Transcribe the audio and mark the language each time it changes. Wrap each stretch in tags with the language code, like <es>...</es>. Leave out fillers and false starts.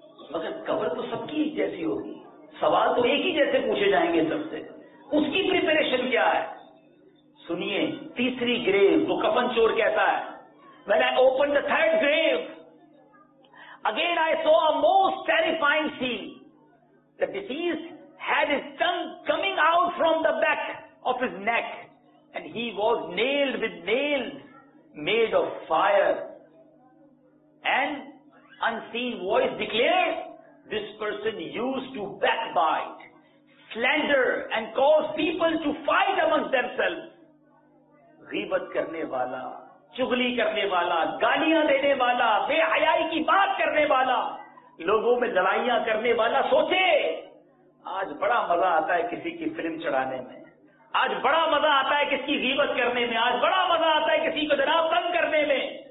<ur>مگر قبر تو سب کی ایک جیسی ہوگی, سوال تو ایک ہی جیسے پوچھے جائیں گے سب سے, اس کی پریپریشن کیا ہے؟ سنیے تیسری گریو, وہ کفن چور کہتا ہے,</ur> <en>When I opened the third grave, again I saw a most terrifying scene. The deceased had his tongue coming out from the back of his neck and he was nailed with nails made of fire. An unseen voice declared, this person used to backbite, slander and cause people to fight amongst themselves.</en> <ur>غیبت کرنے والا, چغلی کرنے والا, گالیاں دینے والا, بے حیائی کی بات کرنے والا, لوگوں میں لڑائیاں کرنے والا. سوچے آج بڑا مزہ آتا ہے کسی کی فلم چڑھانے میں, آج بڑا مزہ آتا ہے کسی کی غیبت کرنے میں, آج بڑا مزہ آتا ہے کسی کو جناب تنگ کرنے میں.</ur>